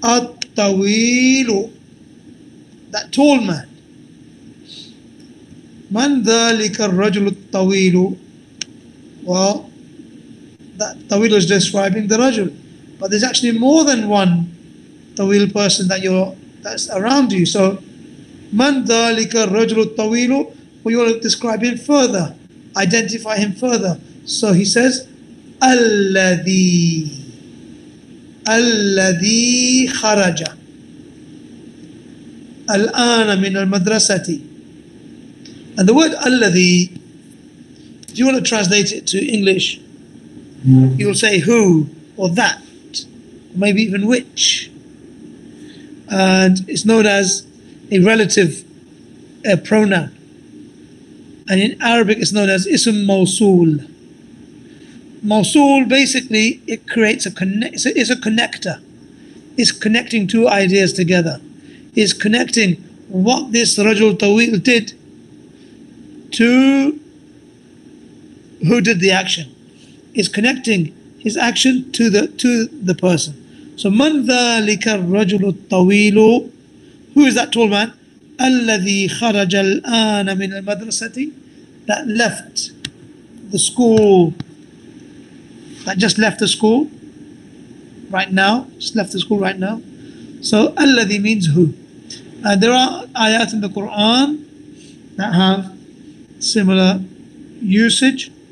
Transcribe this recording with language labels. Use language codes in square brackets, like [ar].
[ar] الطويل. [en] That tall man. [ar] من ذلك الرجل الطويل? [en] Well, that طويل is describing the رجل. But there's actually more than one طويل person that you're, that's around you. So, [ar] من ذلك الرجل الطويل? [en] Well, you want to describe him further, identify him further. So he says, [ar] الذي, الذي خرج الآن من المدرسة. [en] And the word الذي, if you want to translate it to English, you'll say who or that, maybe even which. And it's known as a relative pronoun. And in Arabic, it's known as ism mawsool. Mawsool, basically, it creates a connect, so it's a connector. It's connecting two ideas together. It's connecting what this Rajul Tawil did to who did the action. It's connecting his action to the person. So, [ar] من ذلك الرجل الطويل? [en] Who is that tall man? [ar] الذي خرج الآن من المدرسة? [en] That left the school. That just left the school right now. Just left the school right now. So, الذي means who. And there are ayat in the Quran that have similar usage.